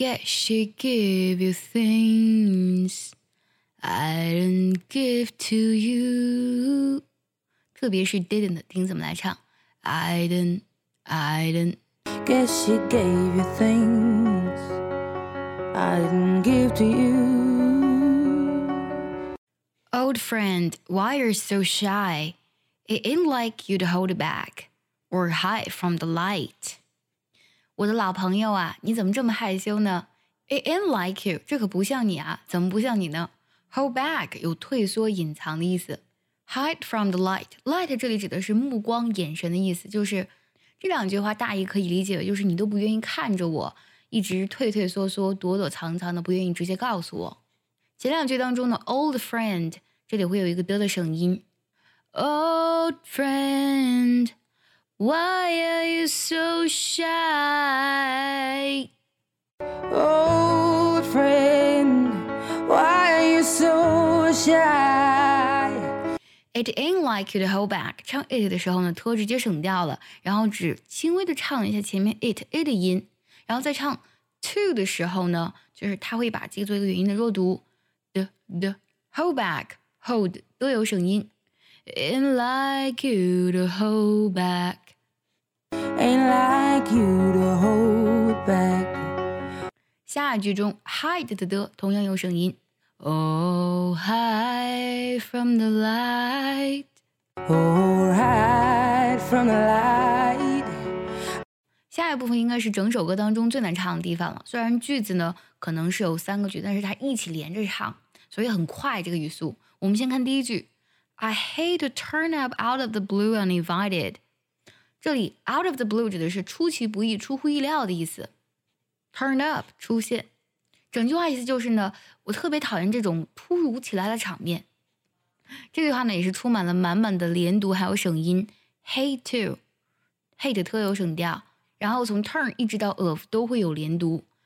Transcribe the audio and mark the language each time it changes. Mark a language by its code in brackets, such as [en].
[en] get, she give you things I didn't give to you. [zh] 特别是 didn't 的听怎么来唱 [en] I didn't Guess she gave you things I didn't give to you. Old friend, why are you so shy? It ain't like you'd hold back or hide from the light. [zh] 我的老朋友啊，你怎么这么害羞呢？ [en] It ain't like you, [zh] 这可不像你啊，怎么不像你呢？Hold back 有退缩隐藏的意思。 [en] Hide from the light. [zh] Light 这里指的是目光眼神的意思，就是这两句话大意可以理解，就是你都不愿意看着我，一直退退缩缩，躲躲藏藏的，不愿意直接告诉我。前两句当中的 [en] old friend [zh] 这里会有一个 d 的声音。 [en] Old friend, why are you so shy? Old friend, why are you so shy? It ain't like you to hold back. [zh] 唱 it 的时候呢，拖直接省掉了，然后只轻微的唱了一下前面 it a 的音，然后再唱 to 的时候呢，就是它会把这个做一个元音的弱读 [en] the hold back [zh] hold 都有省音。 [en] Ain't like you to hold back. Ain't like you to hold back. [zh] 下一句中 hide 的同样有省音。 [en] Oh, hide from the light. Oh, hide from the light. [zh] 下一部分应该是整首歌当中最难唱的地方了。虽然句子呢可能是有三个句，但是它一起连着唱，所以很快这个语速。我们先看第一句 [en] ，I hate to turn up out of the blue uninvited. [zh] 这里 [en] out of the blue [zh] 指的是出其不意、出乎意料的意思。 Turn up 出现。整句话意思就是呢，我特别讨厌这种突如其来的场面。这句话呢也是充满了满满的连读还有省音 [en] hate to [zh] hate 特有省调，然后从 turn 一直到 of 都会有连读